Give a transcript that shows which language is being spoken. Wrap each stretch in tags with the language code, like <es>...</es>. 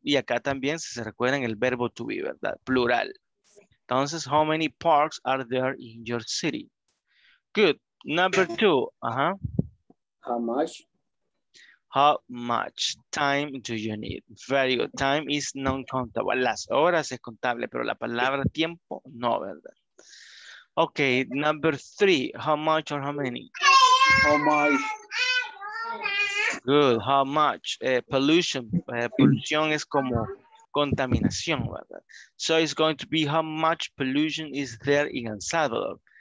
<es>Y acá también, si se recuerdan, el verbo to be, ¿verdad? Plural.</es> <en>Entonces, how many parks are there in your city? Good. Number two. How much? How much time do you need? Very good. Time is non-countable.</en> <es>Las horas es contable, pero la palabra tiempo no, ¿verdad?</es> <en>Okay, number three, how much or how many? How much. Good, how much. Pollution, pollution</en> <es>es como contaminación, ¿verdad?</es> <en>So it's going to be how much pollution is there in El Salvador.</en>